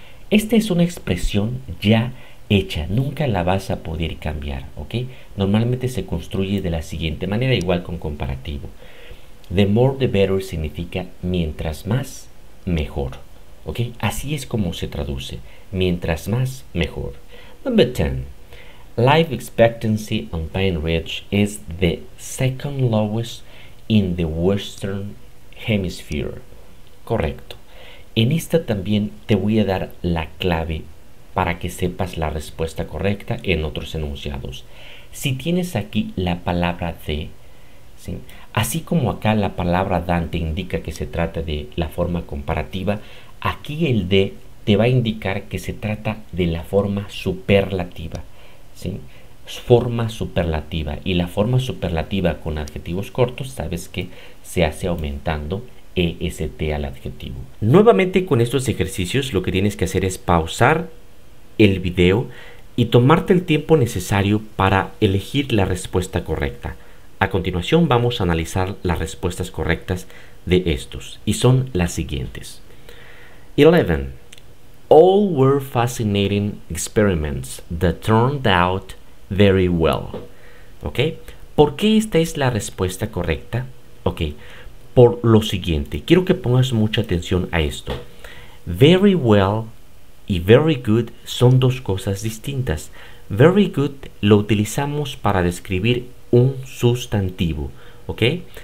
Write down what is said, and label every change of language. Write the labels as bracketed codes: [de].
[es] Esta es una expresión ya hecha, nunca la vas a poder cambiar, ¿ok? Normalmente se construye de la siguiente manera, igual con comparativo. [en] The more, the better [es] significa mientras más, mejor, ¿ok? Así es como se traduce, mientras más, mejor. [en] Number 10. Life expectancy on Pine Ridge is the second lowest in the Western Hemisphere. [es] Correcto. En esta también te voy a dar la clave para que sepas la respuesta correcta en otros enunciados. Si tienes aquí la palabra de, ¿sí? Así como acá la palabra than te indica que se trata de la forma comparativa, aquí el de te va a indicar que se trata de la forma superlativa, ¿sí? Forma superlativa. Y la forma superlativa con adjetivos cortos, sabes que se hace aumentando EST al adjetivo. Nuevamente con estos ejercicios lo que tienes que hacer es pausar el video y tomarte el tiempo necesario para elegir la respuesta correcta. A continuación vamos a analizar las respuestas correctas de estos y son las siguientes. 11. [en] All were fascinating experiments that turned out very well. [es] ¿Ok? ¿Por qué esta es la respuesta correcta? Ok. Por lo siguiente, quiero que pongas mucha atención a esto. Very well y very good son dos cosas distintas. Very good lo utilizamos para describir un sustantivo, ¿ok?